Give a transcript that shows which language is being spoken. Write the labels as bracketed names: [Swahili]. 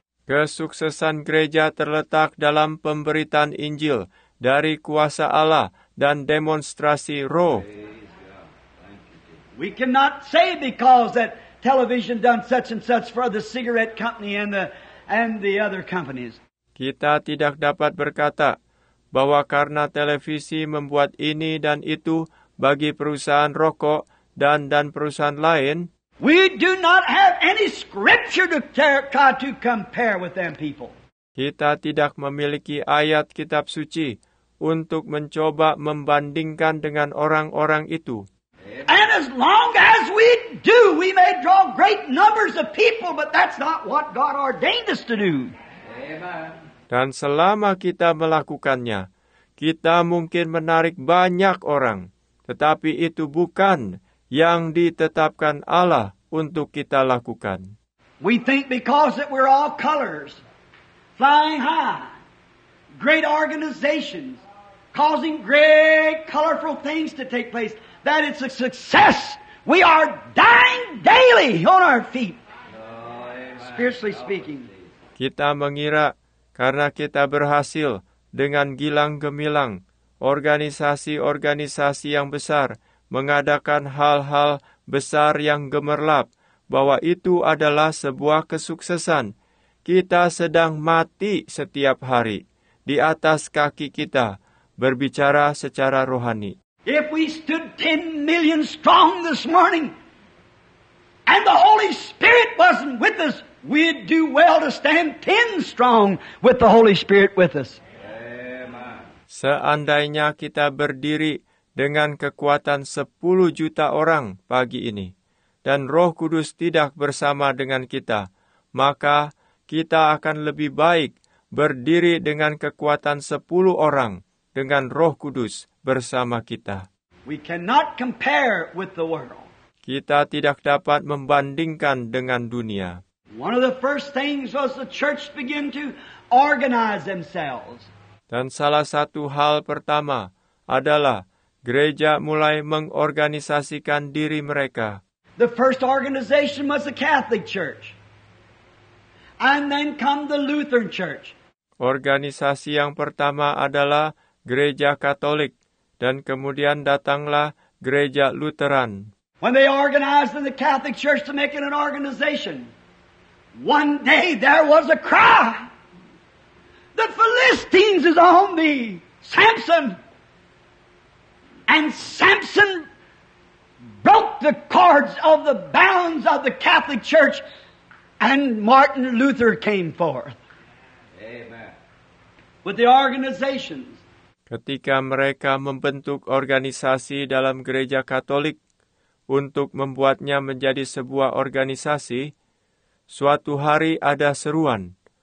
[Indonesian] Kesuksesan gereja terletak dalam pemberitaan Injil dari kuasa Allah dan demonstrasi Roh. [English] We cannot say because that television done such and such for the cigarette company and the other companies. [Indonesian] Kita tidak dapat berkata bahwa karena televisi membuat ini dan itu bagi perusahaan rokok dan perusahaan lain. [English] We do not have any scripture to try to compare with them people. [Indonesian] Kita tidak memiliki ayat kitab suci untuk mencoba membandingkan dengan orang-orang itu. [English] And as long as we do, we may draw great numbers of people, but that's not what God ordained us to do. Amen. [Indonesian] Dan selama kita melakukannya, kita mungkin menarik banyak orang, tetapi itu bukan yang ditetapkan Allah untuk kita lakukan. [English] We think because that we're all colors, flying high, great organizations, causing great colorful things to take place, that it's a success. We are dying daily on our feet, oh, spiritually speaking. [Indonesian] Kita mengira karena kita berhasil dengan gilang gemilang organisasi-organisasi yang besar mengadakan hal-hal besar yang gemerlap, bahwa itu adalah sebuah kesuksesan. Kita sedang mati setiap hari di atas kaki kita, berbicara secara rohani. [English] If we stood 10 million strong this morning and the Holy Spirit wasn't with us, we'd do well to stand 10 strong with the Holy Spirit with us. [Indonesian] Seandainya kita berdiri dengan kekuatan 10 juta orang pagi ini dan Roh Kudus tidak bersama dengan kita, maka kita akan lebih baik berdiri dengan kekuatan 10 orang dengan Roh Kudus bersama kita. [English] We cannot compare with the world. [Indonesian] Kita tidak dapat membandingkan dengan dunia. [English] One of the first things was the church began to organize themselves. [Indonesian] Dan salah satu hal pertama adalah gereja mulai mengorganisasikan diri mereka. [English] The first organization was the Catholic Church. And then come the Lutheran Church. [Indonesian] Organisasi yang pertama adalah gereja Katolik, dan kemudian datanglah gereja Lutheran. [English] When they organized in the Catholic Church to make it an organization, one day there was a cry. The Philistines is on me, Samson. And Samson broke the cords of the bounds of the Catholic Church, and Martin Luther came forth. Amen. With the organizations. [Indonesian] Ketika mereka membentuk organisasi dalam gereja Katolik untuk membuatnya menjadi sebuah organisasi, suatu hari ada seruan.